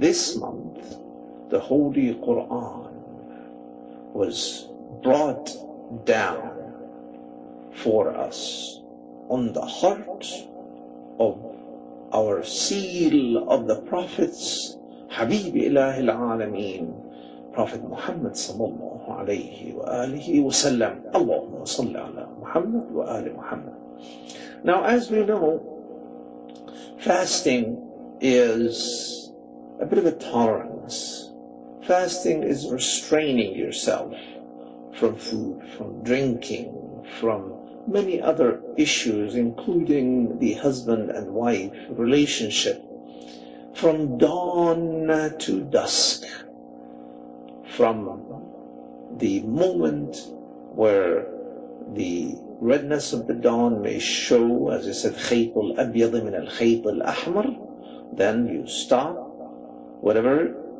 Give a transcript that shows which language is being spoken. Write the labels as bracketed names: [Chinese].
[English] This month, the Holy Quran was brought down for us on the heart of our seal of the prophets, [Arabic] حبيب إله العالمين, [English] Prophet Muhammad [Arabic] صلى الله عليه وآله وسلم. اللهم صل على محمد وآل محمد. [English] Now, as we know, fasting is a bit of a tolerance. Fasting is restraining yourself from food, from drinking, from many other issues, including the husband and wife relationship, from dawn to dusk, from the moment where the redness of the dawn may show, as I said, [Arabic] خيط الأبيض من الخيط الأحمر, [English] then you stop, whatever